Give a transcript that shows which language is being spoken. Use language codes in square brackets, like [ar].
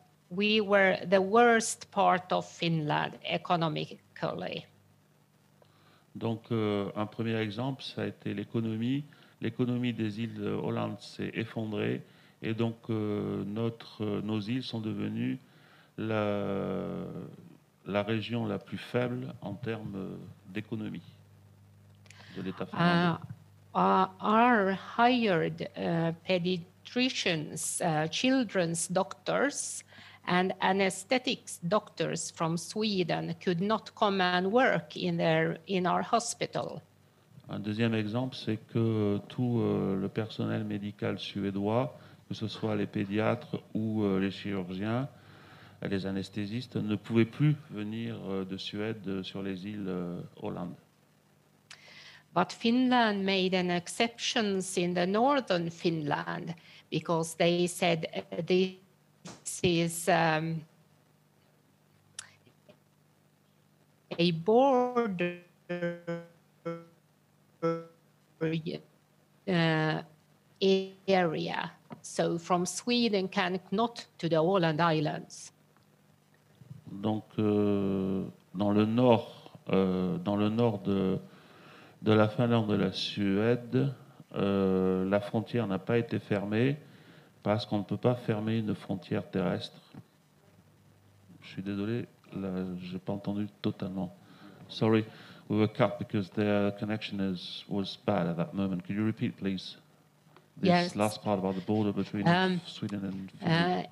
[en] We were the worst part of Finland economically. [fr] Donc, un premier exemple, ça a été l'économie. L'économie des îles Åland s'est effondrée, et donc nos îles sont devenues la région la plus faible en termes d'économie de l'État finlandais. [en] Our hired pediatricians, children's doctors, and anesthetics doctors from Sweden could not come and work in our hospital. [fr] Un deuxième exemple, c'est que tout le personnel médical suédois, que ce soit les pédiatres ou les chirurgiens, les anesthésistes, ne pouvaient plus venir de Suède sur les îles Åland. [en] But Finland made an exception in the northern Finland because they said this is a border uh, area, so from Sweden can not to the Åland Islands. [fr] Donc dans le nord de la Finlande et la Suède, la frontière n'a pas été fermée parce qu'on ne peut pas fermer une frontière terrestre. Je suis désolé, là, je n'ai pas entendu totalement. [en] Sorry, we were cut because the connection was bad at that moment. Could you repeat, please? This last part about the border between Sweden and Finland.